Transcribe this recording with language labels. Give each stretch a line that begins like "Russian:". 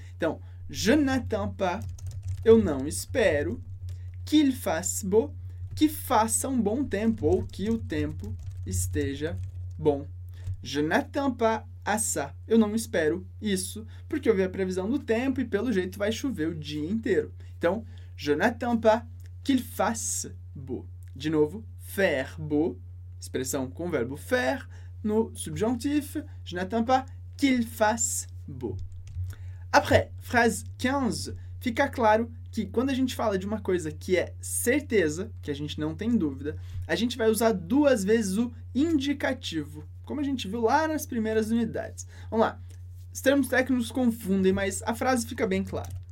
Portuguese: Então,
French: je n'attends pas,
Portuguese: eu não espero,
French: qu'il fasse beau,
Portuguese: que faça um bom tempo, ou que o tempo esteja bom.
French: Je n'attends pas à ça,
Portuguese: eu não espero isso, porque eu vi a previsão do tempo e pelo jeito vai chover o dia inteiro.
French: Então, je n'attends pas qu'il fasse beau.
Portuguese: De novo, faire beau, expressão com o verbo faire, no subjuntif,
French: je n'attends pas qu'il fasse beau. Après, phrase 15,
Portuguese: fica claro que quando a gente fala de uma coisa que é certeza, que a gente não tem dúvida, a gente vai usar duas vezes o indicativo, como a gente viu lá nas primeiras unidades. Vamos lá, os termos técnicos confundem, mas a frase fica bem clara.